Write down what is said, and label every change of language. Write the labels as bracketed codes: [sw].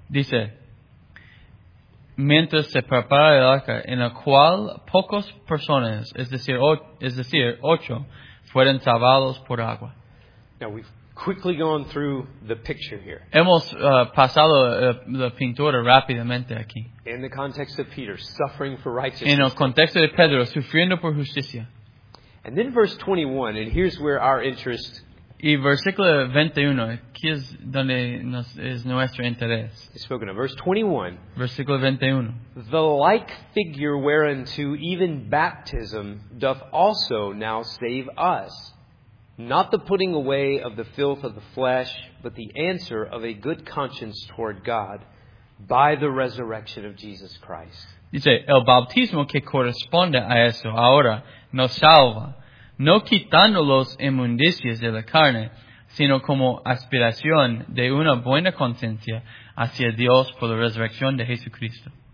[es] Dice. Mientras se prepara el arca, en el cual pocos personas, es decir, 8, fueron salvados por agua. [en] Now we've quickly gone through the picture here. [es] Hemos pasado la pintura rápidamente aquí. [en] In the context of Peter, suffering for righteousness. [es] En el contexto de Pedro, sufriendo por justicia. [en] And then verse 21, and here's where our interest. [es] Y versículo 21, aquí es donde es nuestro interés. [en] He's spoken of. Verse 21. [es] Versículo 21. [en] The like figure whereunto even baptism doth also now save us. Not the putting away of the filth of the flesh, but the answer of a good conscience toward God by the resurrection of Jesus Christ. [es] Dice, el bautismo que corresponde a eso ahora nos salva, no quitando los inmundicias de la carne, sino como aspiración de una buena conciencia hacia Dios por la resurrección de Jesucristo.